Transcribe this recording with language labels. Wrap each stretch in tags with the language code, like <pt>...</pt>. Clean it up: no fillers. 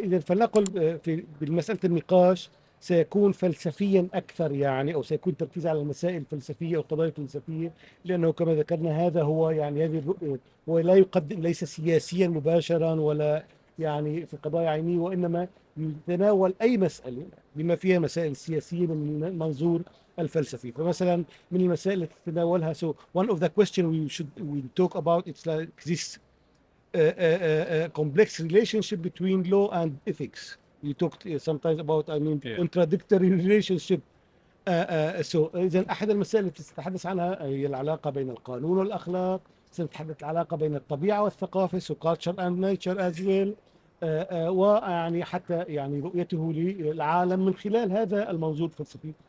<ar>إذا فلنقل في بالمسألة النقاش سيكون فلسفيا أكثر يعني، أو سيكون تركيز على المسائل الفلسفية أو القضايا الفلسفية، لأنه كما ذكرنا هذا هو يعني هذه الرؤية، هو لا يقدم ليس سياسيا مباشرا ولا يعني في قضايا عينية، وإنما يتناول أي مسألة بما فيها مسائل سياسية من منظور الفلسفي. فمثلا من المسائل التي تناولها</ar> <en>so one of the question we should we talk about it's like this complex relationship between law and ethics. You talked sometimes about I mean yeah. contradictory relationship.</en> <ar>So إذن أحد المسائل التي ستتحدث عنها هي العلاقة بين القانون والأخلاق، ستتحدث العلاقة بين الطبيعة والثقافة</ar> <en>so culture and nature as well.</en> <ar>ويعني حتى يعني رؤيته للعالم من خلال هذا المنظور الفلسفي.</ar>